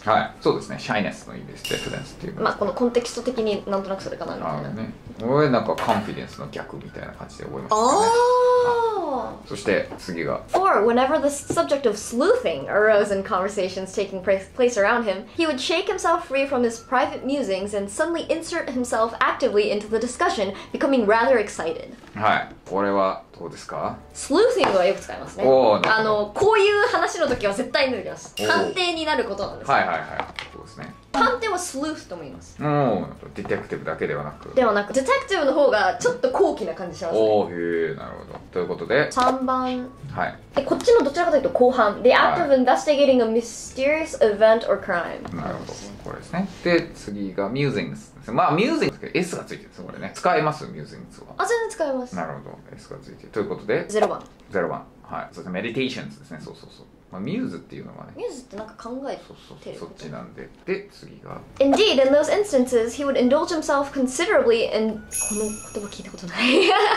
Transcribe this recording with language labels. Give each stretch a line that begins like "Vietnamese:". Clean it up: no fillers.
Japanese: はい、そうですね。Shyness の意味です。Diffidence っていう、まあこのコンテキスト的になんとなくそれかなみたいな。なるほどね。俺なんか Confidence の逆みたいな感じで覚えましたね。おー、そして次が。
English: For whenever the subject of sleuthing arose in conversations taking place around him, he would shake himself free from his private musings and suddenly insert himself actively into the discussion, becoming rather excited.
Japanese: はい、これはどうですか？ Sleuthing はよく使いますね。おお、あのこういう話の時は絶対に抜きます。探偵になることなんです、ね。はいはいはい、そうですね。探偵はスルーフと思います。うん、ディテクティブだけではなく、ではなくディテクティブの方がちょっと高貴な感じしますね。おお、へえ、なるほど。ということで 3番、はい、でこっちのどちらかというと後半、はい、
English: The act of investigating a mysterious event or crime。
Japanese: なるほど、これですね。で次が musings。まあ musings って S がついてるんです、これね。使います？musings は。あ、全然使います。なるほど、 S がついてる。ということで 0番、はい、そうですね。meditations ですね。そうそうそう、まあ、ミューズっていうのはね、ミューズってなんか考えてる、そうそうそう、そっちなんで。で次が
English: Indeed, in those instances, he would indulge himself considerably in
Japanese: この言葉聞いたことない